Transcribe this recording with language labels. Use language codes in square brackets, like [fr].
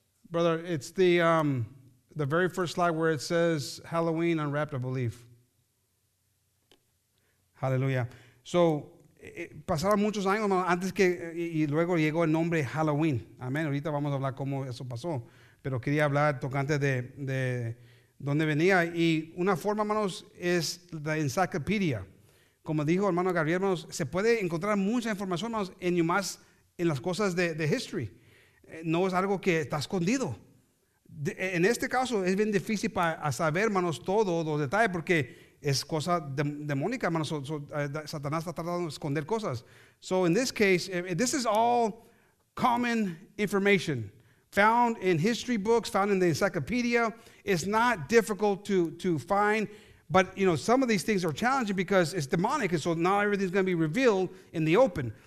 [en] Brother, it's the very first slide where it says Halloween unwrapped, I believe. Hallelujah. So... [es] Pasaron muchos años antes que y luego llegó el nombre Halloween. Amén. Ahorita vamos a hablar cómo eso pasó, pero quería hablar tocante de dónde venía. Y una forma, hermanos, es la encyclopedia. Como dijo hermano Gabriel, hermanos, se puede encontrar mucha información, hermanos, en más en las cosas de history. No es algo que está escondido. En este caso es bien difícil para saber, hermanos, todos los detalles, porque es cosa demónica, hermanos. Satanás está tratando de esconder cosas. [en] So in this case, this is all common information found in history books, found in the encyclopedia. It's not difficult to find, but you know, some of these things are challenging because it's demonic, and so not everything's going to be revealed in the open.